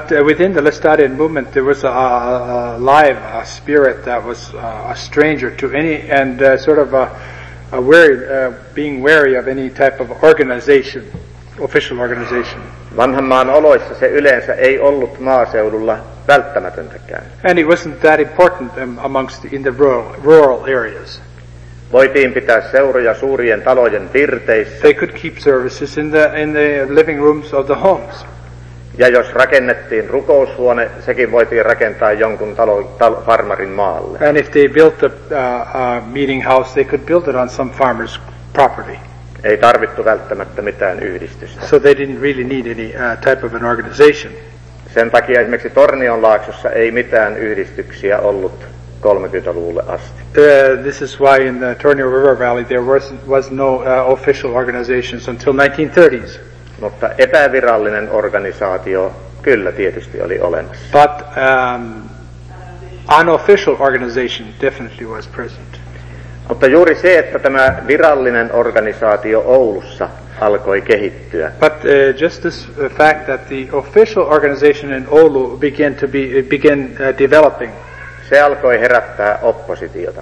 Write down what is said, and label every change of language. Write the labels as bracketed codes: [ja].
[en] But within the Lestadian movement there was a live a spirit that was a stranger to any and sort of a wary, being wary of any type of organization, official organization. [fi] Vanhan maan oloissa se yleensä ei ollut maaseudulla välttämätöntäkään. [en] And it wasn't that important amongst in the rural areas. [fi] Voitiin pitää seuroja suurien talojen pirteissä. [en] They could keep services in the living rooms of the homes. [fi] Ja jos rakennettiin rukoushuone, sekin voitiin rakentaa jonkun farmarin maalle. [en] And if they built a meeting house, they could build it on some farmer's property. [fi] Ei tarvittu välttämättä mitään yhdistystä. [en] So they didn't really need any type of an organization. [fi] Sen takia esimerkiksi Tornionlaaksossa ei mitään yhdistyksiä ollut 30-luvulle asti. [en] This is why in the Tornio River Valley there was no official organizations until 1930s. [fi] Mutta epävirallinen organisaatio kyllä tietysti oli olemassa. [en] But unofficial organization definitely was present. [fi] Mutta juuri se, että tämä virallinen organisaatio Oulussa alkoi kehittyä. [en] But just this fact that the official organization in Oulu began developing. [fi] Se alkoi herättää oppositiota.